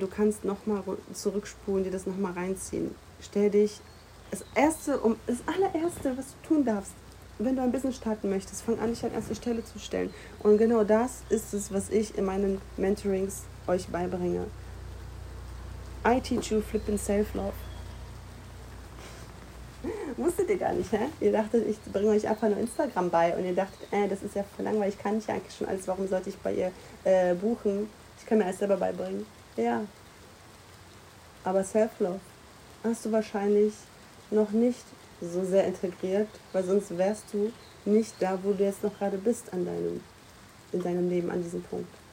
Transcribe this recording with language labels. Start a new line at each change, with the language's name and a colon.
German: Du kannst nochmal zurückspulen, dir das nochmal reinziehen. Stell dich das allererste, was du tun darfst, wenn du ein Business starten möchtest, fang an, dich an erste Stelle zu stellen. Und genau das ist es, was ich in meinen Mentorings euch beibringe.
English: I teach you flipping self-love.
German: Wusstet ihr gar nicht, hä? Ihr dachtet, ich bringe euch einfach nur Instagram bei und ihr dachtet, das ist ja voll langweilig, kann ich ja eigentlich schon alles, warum sollte ich bei ihr buchen? Ich kann mir alles selber beibringen. Ja. Aber Self-Love hast du wahrscheinlich noch nicht so sehr integriert, weil sonst wärst du nicht da, wo du jetzt noch gerade bist in deinem Leben, an diesem Punkt.